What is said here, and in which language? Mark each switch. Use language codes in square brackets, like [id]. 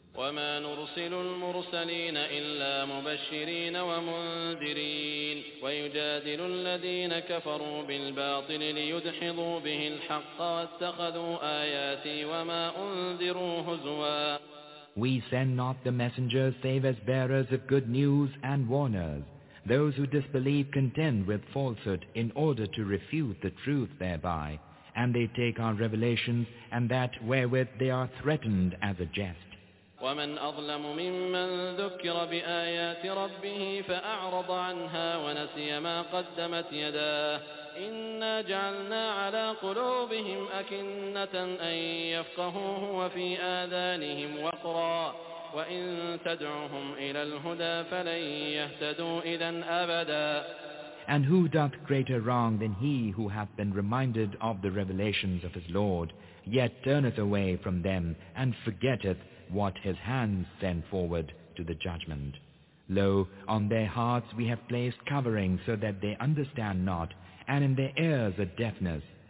[ar] وَمَا نُرْسِلُ الْمُرْسَلِينَ إِلَّا مُبَشِّرِينَ وَمُنْذِرِينَ وَيُجَادِلُ الَّذِينَ كَفَرُوا بِالْبَاطِلِ لِيُدْحِضُوا بِهِ الْحَقَّ وَاتَّخَذُوا آيَاتِي وَمَا أُنْذِرُوا هُزُوًا. [en] We send not the messengers save as bearers of good news and warners. Those who disbelieve contend with falsehood in order to refute the truth thereby, and they take our revelations and that wherewith they are threatened as a jest. [ar] ومن أظلم ممن ذكر بآيات ربه فأعرض عنها ونسي ما قدمت يداه إنا جعلنا على قلوبهم أكنة أن يفقهوه وفي آذانهم وقرا وإن تدعهم إلى الهدى فلن يهتدوا إذا أبدا. [en] And who doth greater wrong than he who hath been reminded of the revelations of his Lord, yet turneth away from them and forgetteth what his hands send forward to the judgment? Lo, on their hearts we have placed covering so that they understand not, and in their ears a deafness.